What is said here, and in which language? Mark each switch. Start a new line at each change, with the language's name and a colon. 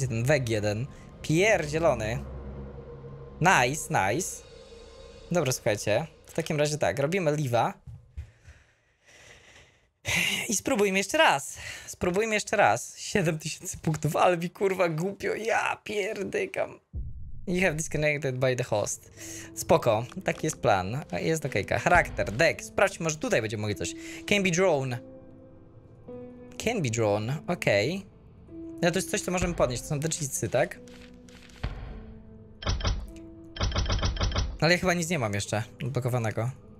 Polish: Ten weg jeden. Pierdzielony.
English: Nice, nice.
Polish: Dobra, słuchajcie. W takim razie tak, robimy leave'a. I spróbujmy jeszcze raz. Spróbujmy jeszcze raz. 7000 punktów, ale mi kurwa głupio. Ja pierdykam.
English: You have disconnected by the host.
Polish: Spoko, taki jest plan. Jest okejka. Charakter, deck. Sprawdźmy, może tutaj będziemy mogli coś.
English: Can be drawn. Can be drawn,
Polish: okej. Okay. No to jest coś, co możemy podnieść. To są te cheatsy, tak? Ale ja chyba nic nie mam jeszcze odblokowanego.